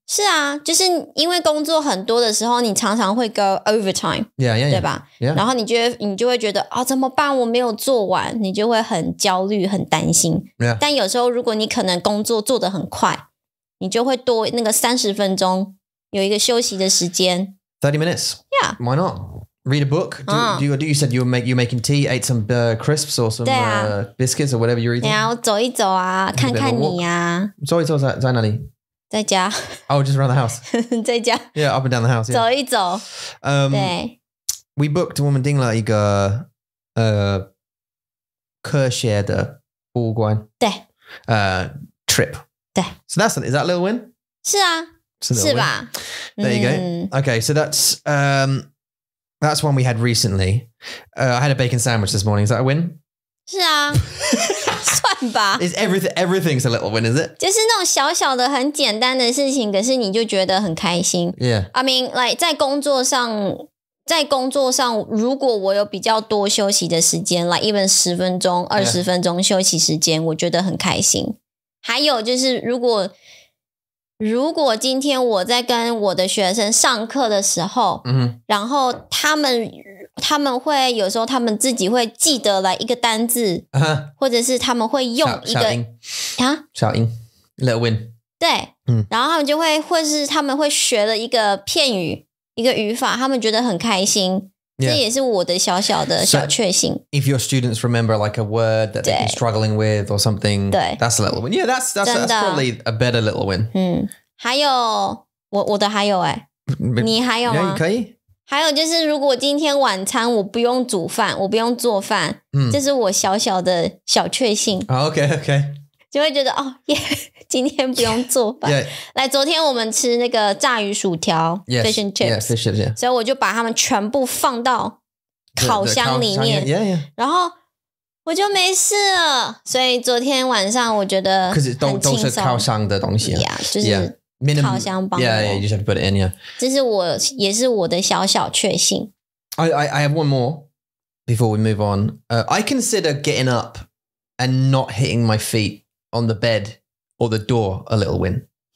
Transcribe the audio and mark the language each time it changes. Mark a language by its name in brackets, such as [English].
[Chinese] 是啊,就是因为工作很多的时候,你常常会 [English] go overtime. Yeah, yeah, yeah. [Chinese] 对吧? [English] Yeah. [Chinese] 然后你就会觉得,哦,怎么办?我没有做完。你就会很焦虑,很担心。 [English] Yeah. [Chinese] 但有时候如果你可能工作做得很快,你就会多那个30分钟,有一个休息的时间。 [English] 30 minutes? Yeah. Why not? Read a book. You said you were making tea, ate some crisps or some、啊、 biscuits or whatever you're eating. [Chinese] Yeah, 我走一走啊，看看你啊。走一走在哪里？在家。 [English] Oh, just around the house. [Chinese] 在家。 [English] Yeah, up and down the house.、Yeah. [Chinese] 走一走。 [English] We booked [Chinese] 我们订了一个科学的博物馆。对。 [English] Trip. [Chinese] 对。 [English] So that's is that a little win? [Chinese] 是啊。是吧 [English] ？There you go.、嗯、okay, so that's That's one we had recently.、I had a bacon sandwich this morning. Is that a win? [Chinese] 是啊，算吧。 [English] Is everything's a little win, is it? [Chinese] 就是那种小小的、很简单的事情，可是你就觉得很开心。 [English] Yeah. I mean, like, [Chinese] 在工作上，如果我有比较多休息的时间 ， [English] like even [Chinese] 十分钟、二十分钟休息时间， yeah. 我觉得很开心。还有就是，如果今天我在跟我的学生上课的时候、 mm-hmm. 然后他们会有时候他们自己会记得来一个单字、 uh-huh. 或者是他们会用一个 [English] shouting little win [Chinese] 对、 mm. 然后他们就会或是他们会学了一个片语一个语法他们觉得很开心、 [English] yeah. [Chinese] 这也是我的小小的小确幸、 [English] so、if your students remember like a word that they've been struggling with or something [Chinese] 对 [English] that's a little win yeah that's probably a better little win、 [Chinese] 嗯、还有 我的还有、欸、你还有吗 yeah, 可以还有就是如果今天晚餐我不用煮饭我不用做饭、嗯、这是我小小的小确幸、 [English] oh, OK [Chinese] 就会觉得哦耶、yeah, 今天不用做饭、 [English] yeah. [Chinese] 来昨天我们吃那个炸鱼薯条 [English] yes, Fish and chips yeah, fish, yeah. [Chinese] 所以我就把它们全部放到烤箱里面 [English] the yeah, yeah. [Chinese] 然后我就没事了所以昨天晚上我觉得很轻松都是烤箱的东西、啊、 yeah, 就是、 [English] yeah. [Chinese] Minimum, 烤箱帮我 [English] yeah, yeah, you just have to put it in, yeah. [Chinese] 这是我的小小确幸 [English] I have one more before we move on.、I consider getting up and not hitting my feet on the bed or the door a little win.